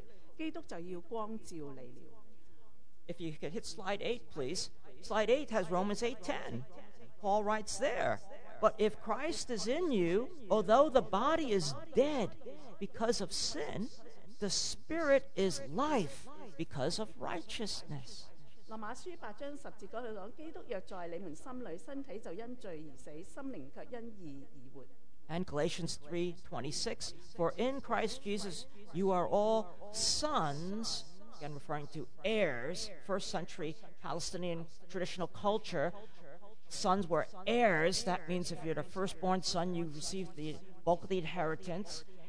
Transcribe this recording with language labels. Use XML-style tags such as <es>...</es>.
<zh>在以弗所书第五章十四节那里他讲到他说因为一切能显明的就是光所以主说你这睡着的人当醒过来从死里复活基督就要光照你了</zh> <en>If you could hit slide 8 please slide 8 has Romans 8:10 Paul writes there But if Christ is in you although the body is dead because of sin the spirit is life because of righteousness</en> <zh>罗马书八章十节那里讲，基督若在你们心里，身体就因罪而死，心灵却因义而活。</zh> <en>And Galatians 3:26, for in Christ Jesus you are all sons. Again, referring to heirs. First century Palestinian traditional culture, sons were heirs. That means if you're the firstborn son, you received the bulk of the inheritance.</en>